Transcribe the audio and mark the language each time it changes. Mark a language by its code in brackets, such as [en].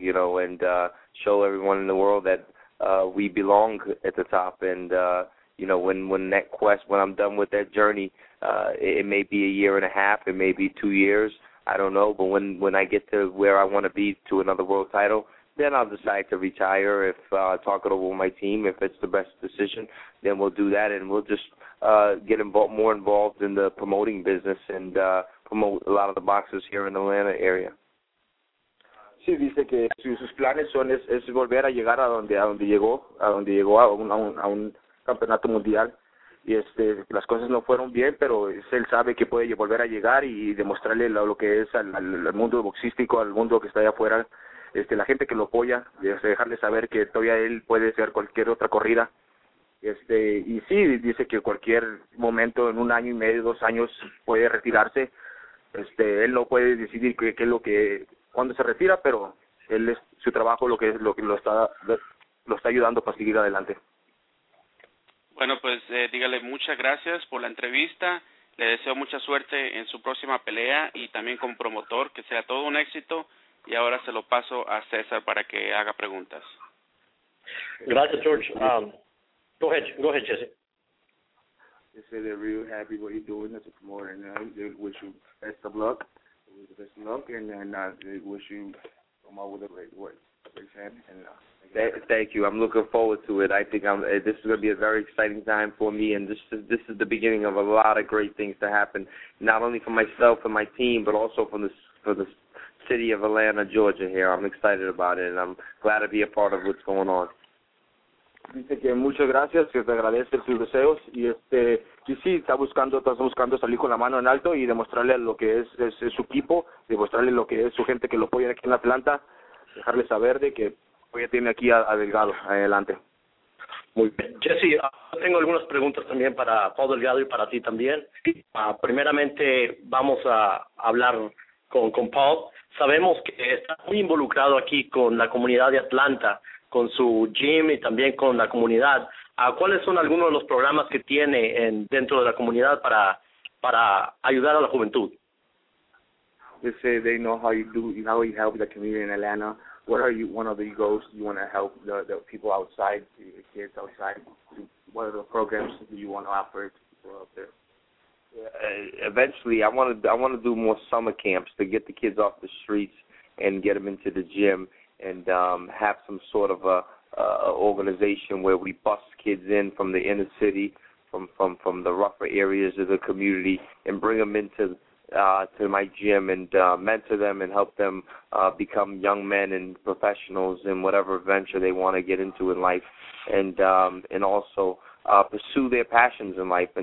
[en] You know, and show everyone in the world that we belong at the top, and you know, when I'm done with that journey, it may be a year and a half, it may be 2 years, I don't know, but when I get to where I want to be, to another world title, then I'll decide to retire. If talk it over with my team, if it's the best decision, then we'll do that, and we'll just get more involved in the promoting business and promote a lot of the boxers here in the Atlanta area. [es] Sí, dice que sus planes son es volver a llegar a donde llegó a un campeonato mundial, y las cosas no fueron bien, pero él sabe que puede volver a llegar y demostrarle lo que es al mundo boxístico, al mundo que está allá afuera, la gente que lo apoya, dejarle saber que todavía él puede hacer cualquier otra corrida. Y sí, dice que cualquier momento, en un año y medio, dos años, puede retirarse. Él no puede decidir qué es lo que cuando se retira, pero él es su trabajo lo que lo está ayudando para seguir adelante. Bueno, pues dígale muchas gracias por la entrevista, le deseo mucha suerte en su próxima pelea y también como promotor, que sea todo un éxito, y ahora se lo paso a César para que haga preguntas. Gracias, [en] George. Go ahead, Jesse. They say they're real happy what you're doing as a promoter, and they wish you best of luck. Best of luck, and I wish you come out with a great work. Thank you. I'm looking forward to it. I think this is going to be a very exciting time for me, and this is the beginning of a lot of great things to happen, not only for myself and my team, but also for the city of Atlanta, Georgia here. I'm excited about it, and I'm glad to be a part of what's going on. [es] Dice que muchas gracias, que te agradece tus deseos, y sí, está buscando salir con la mano en alto y demostrarle lo que es su equipo, demostrarle lo que es su gente que lo apoya aquí en Atlanta, dejarle saber de que hoy tiene aquí a Delgado. Adelante. Muy bien. Jesse, tengo algunas preguntas también para Paul Delgado y para ti también. Primeramente, vamos a hablar con Paul. Sabemos que está muy involucrado aquí con la comunidad de Atlanta, con su gym y también con la comunidad. ¿Cuáles son algunos de los programas que tiene dentro de la comunidad para ayudar a la juventud? [en] They say they know how you help the community in Atlanta. What are you, one of the goals you want to help the people outside, the kids outside? What are the programs that you want to offer to people out there? Eventually, I want to do more summer camps to get the kids off the streets and get them into the gym, and have some sort of a organization where we bus kids in from the inner city, from the rougher areas of the community, and bring them into my gym and mentor them and help them become young men and professionals in whatever venture they want to get into in life, and also pursue their passions in life.